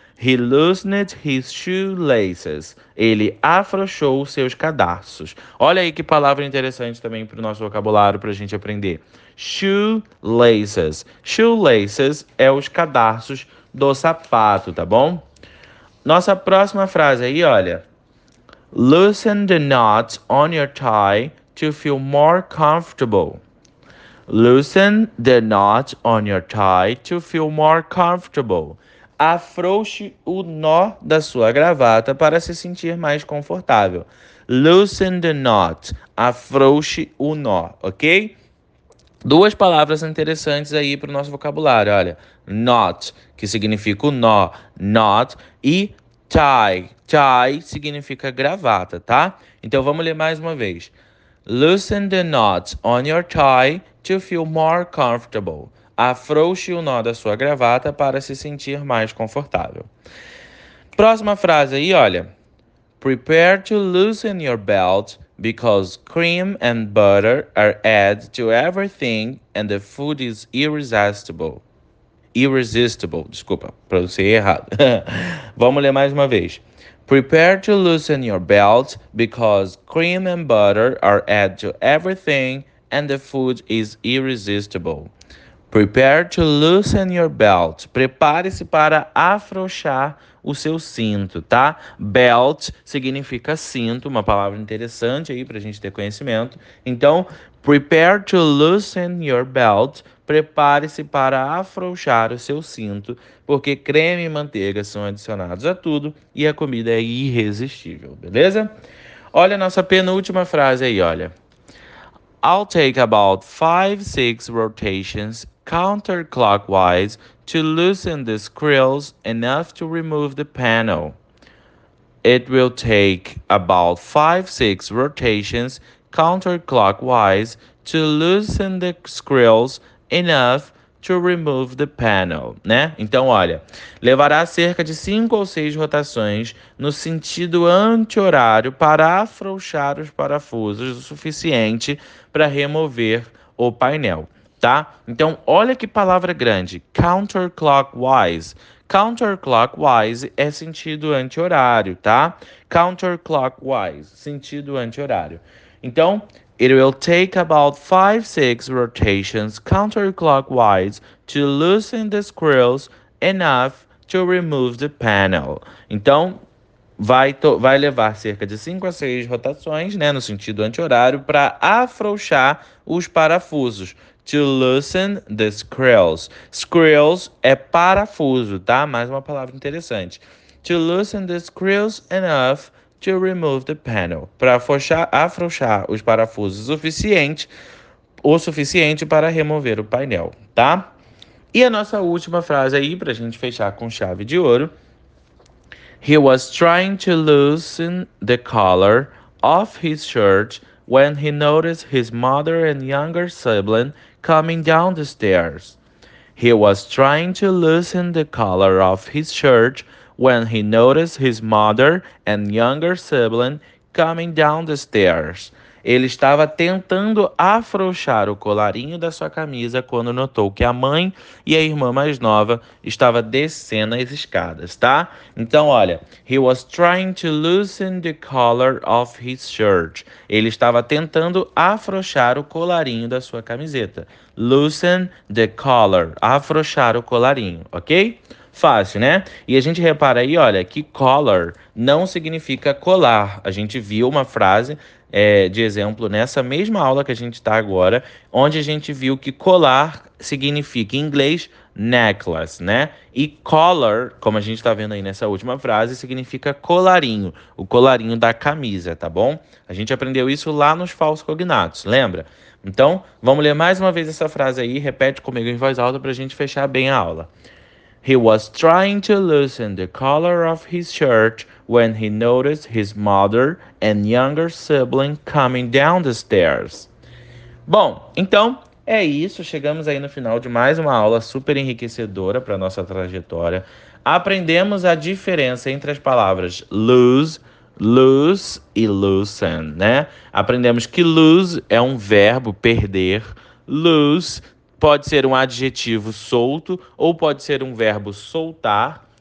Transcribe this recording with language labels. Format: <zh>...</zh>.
<en>He loosened his shoelaces.</en> <pt>Ele afrouxou os seus cadarços. Olha aí que palavra interessante também para o nosso vocabulário para a gente aprender. Shoelaces. Shoelaces é os cadarços do sapato, tá bom? Nossa próxima frase aí, olha.</pt> <en>Loosen the knots on your tie to feel more comfortable. Loosen the knot on your tie to feel more comfortable.</en> <pt>Afrouxe o nó da sua gravata para se sentir mais confortável.</pt> <en>Loosen the knot.</en> <pt>Afrouxe o nó, ok? Duas palavras interessantes aí para o nosso vocabulário. Olha, knot, que significa o nó, knot, e tie. Tie significa gravata, tá? Então vamos ler mais uma vez.</pt> <en>Loosen the knot on your tie to feel more comfortable.</en> <pt>Afrouxe o nó da sua gravata para se sentir mais confortável. Próxima frase aí, olha.</pt> <en>Prepare to loosen your belt because cream and butter are added to everything and the food is irresistible.</en> <pt>Irresistible, desculpa, pronunciei errado. Vamos ler mais uma vez.</pt> <en>Prepare to loosen your belt because cream and butter are added to everything and the food is irresistible. Prepare to loosen your belt.</en> <pt>Prepare-se para afrouxar o seu cinto, tá? Belt significa cinto, uma palavra interessante aí para a gente ter conhecimento.</pt> <en>Então, prepare to loosen your belt.</en> <pt>Prepare-se para afrouxar o seu cinto, porque creme e manteiga são adicionados a tudo e a comida é irresistível, beleza? Olha a nossa penúltima frase aí, olha.</pt> <en>I'll take about 5-6 rotations counterclockwise to loosen the screws enough to remove the panel. It will take about 5-6 rotations counterclockwise to loosen the screws enough to remove the panel, né?</en> <pt>Então, olha, levará cerca de 5 ou 6 rotações no sentido anti-horário para afrouxar os parafusos o suficiente para remover o painel, tá? Então, olha que palavra grande, counterclockwise. Counterclockwise é sentido anti-horário, tá? Counterclockwise, sentido anti-horário.</pt> <en>Então, it will take about 5-6 rotations counterclockwise to loosen the screws enough to remove the panel.</en> <pt>Então, vai levar cerca de 5 a 6 rotações, né, no sentido anti-horário, para afrouxar os parafusos.</pt> <en>To loosen the screws.</en> <pt>Screws é parafuso, tá? Mais uma palavra interessante.</pt> <en>To loosen the screws enough to remove the panel.</en> <pt>Para afrouxar os parafusos o suficiente para remover o painel, tá? E a nossa última frase aí, para a gente fechar com chave de ouro.</pt> <en>He was trying to loosen the collar off his shirt when he noticed his mother and younger sibling coming down the stairs. He was trying to loosen the collar off his shirt when he noticed his mother and younger sibling coming down the stairs.</en> <pt>Ele estava tentando afrouxar o colarinho da sua camisa quando notou que a mãe e a irmã mais nova estavam descendo as escadas, tá? Então, olha,</pt> <en>he was trying to loosen the collar of his shirt.</en> <pt>Ele estava tentando afrouxar o colarinho da sua camiseta.</pt> <en>Loosen the collar,</en> <pt>afrouxar o colarinho, ok? Fácil, né? E a gente repara aí, olha, que collar não significa colar. A gente viu uma frase de exemplo nessa mesma aula que a gente está agora, onde a gente viu que colar significa, em inglês, necklace, né? E collar, como a gente está vendo aí nessa última frase, significa colarinho, o colarinho da camisa, tá bom? A gente aprendeu isso lá nos falsos cognatos, lembra? Então, vamos ler mais uma vez essa frase aí, repete comigo em voz alta para a gente fechar bem a aula.</pt> <en>He was trying to loosen the collar of his shirt when he noticed his mother and younger sibling coming down the stairs.</en> <pt>Bom, então é isso. Chegamos aí no final de mais uma aula super enriquecedora para a nossa trajetória. Aprendemos a diferença entre as palavras lose, loose e loosen, né? Aprendemos que lose é um verbo perder, loose pode ser um adjetivo solto ou pode ser um verbo soltar.</pt>